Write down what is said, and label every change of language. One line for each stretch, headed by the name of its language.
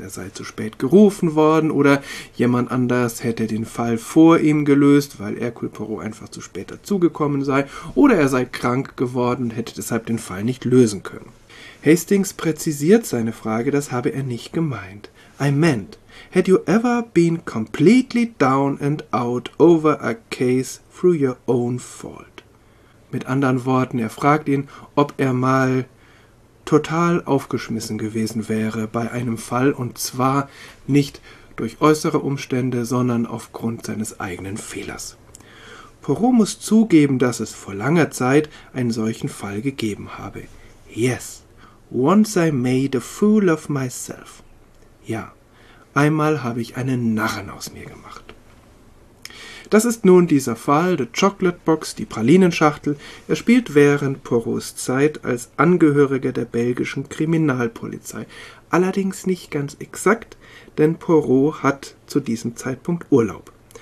German: Er sei zu spät gerufen worden oder jemand anders hätte den Fall vor ihm gelöst, weil Hercule Poirot einfach zu spät dazugekommen sei. Oder er sei krank geworden und hätte deshalb den Fall nicht lösen können. Hastings präzisiert seine Frage, das habe er nicht gemeint.
English: I meant, had you ever been completely down and out over a case through your own fault?
German: Mit anderen Worten, er fragt ihn, ob er mal total aufgeschmissen gewesen wäre bei einem Fall und zwar nicht durch äußere Umstände, sondern aufgrund seines eigenen Fehlers. Poirot muss zugeben, dass es vor langer Zeit einen solchen Fall gegeben habe.
English: Yes, once I made a fool of myself.
German: Ja, einmal habe ich einen Narren aus mir gemacht. Das ist nun dieser Fall, The Chocolate Box, die Pralinenschachtel. Er spielt während Poirots Zeit als Angehöriger der belgischen Kriminalpolizei. Allerdings nicht ganz exakt, denn Poirot hat zu diesem Zeitpunkt Urlaub.